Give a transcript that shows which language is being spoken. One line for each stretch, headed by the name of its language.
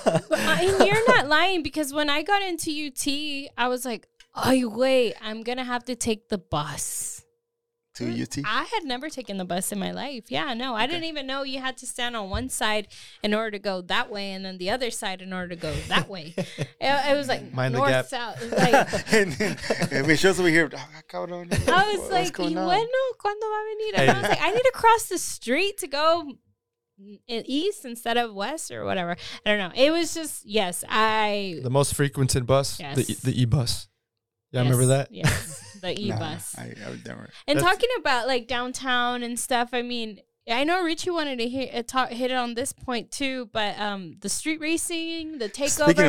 English: And you're not lying, because when I got into UT, I was like, oh, wait, I'm going to have to take the bus. To UT? I had never taken the bus in my life. Yeah, no. Okay. I didn't even know you had to stand on one side in order to go that way and then the other side in order to go that way. It was like mind north, the gap, south. It was like, and then, here.
Spanish: I was like, bueno, ¿cuándo va a venir?
English: And I was like, I need to cross the street to go east instead of west or whatever. I don't know. It was just, yes, the most frequented bus, yes, the e-bus. Yeah, yes, remember that? Yeah. The e-bus. Nah, I and that's, talking about like downtown and stuff, I mean, I know Richie wanted to hit it on this point too, but the street racing, the takeover.